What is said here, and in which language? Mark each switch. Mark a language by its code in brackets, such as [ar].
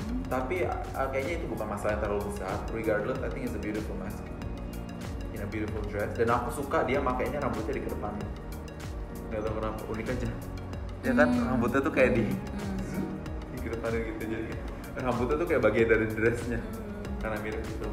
[id] Tapi kayaknya itu bukan masalah yang terlalu besar. [en] Regardless, I think it's a beautiful mask in a beautiful dress. [id] Dan aku suka dia makainya rambutnya di kedepan. Gak tau kenapa, unik aja. Dia kan rambutnya tuh kayak di kedepannya gitu, jadi rambutnya tuh kayak bagian dari dressnya karena mirip gitu.